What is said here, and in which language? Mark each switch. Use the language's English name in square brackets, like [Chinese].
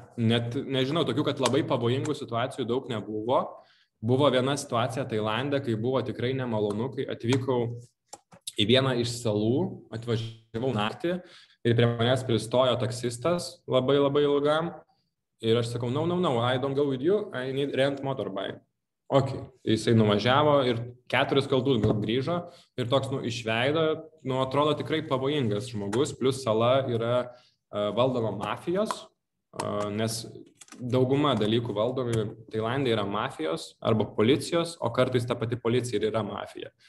[Lithuanian] Net, nežinau, tokių, kad labai pavojingų situacijų daug nebuvo. Buvo viena situacija Tailande, kai buvo tikrai nemalonu, kai atvykau į vieną iš salų, atvažiavau naktį, ir prie manęs pristojo taksistas labai labai ilgam. Ir aš sakau, [English] no, I don't go with you, I need rent motorbike. [Lithuanian] Ok, jisai nuvažiavo ir 4 kaltus gal grįžo ir toks nu, išveido, nu, atrodo tikrai pavojingas žmogus, plus sala yra valdoma mafijos, nes dauguma dalykų valdomi Tailande yra mafijos arba policijos, o kartais ta pati policija ir yra mafija.